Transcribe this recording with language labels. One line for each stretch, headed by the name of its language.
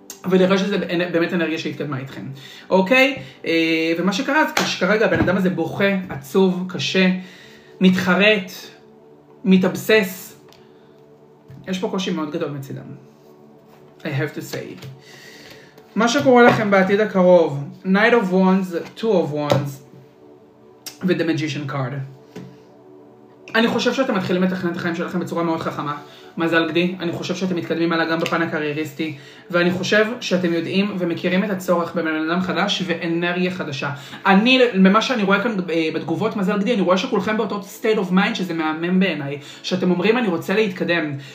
Hebrew: ולראה שזה באמת אנרגיה שהתקדמה איתכם. אוקיי? ומה שקרה, אז כרגע הבן אדם הזה בוכה, עצוב, קשה, מתחרט, מתאבסס. יש פה קושי מאוד גדול מצדם.
English: I have to say.
Hebrew: מה שקורה לכם בעתיד הקרוב, Knight of Wands, Two of Wands,
English: with the magician card.
Hebrew: אני חושב שאתם מתחילים לתכנן את החיים שלכם בצורה מאוד חכמה. מזל גדי, אני חושב שאתם מתקדמים עליה גם בפן הקרייריסטי, ואני חושב שאתם יודעים ומכירים את הצורך בבן אדם חדש ואנרגיה חדשה. אני, ממה שאני רואה כאן בתגובות, מזל גדי, אני רואה שכולכם באותו
English: state of mind,
Hebrew: שזה מהמם בעיניי, שאתם אומרים אני רוצה להתקדם.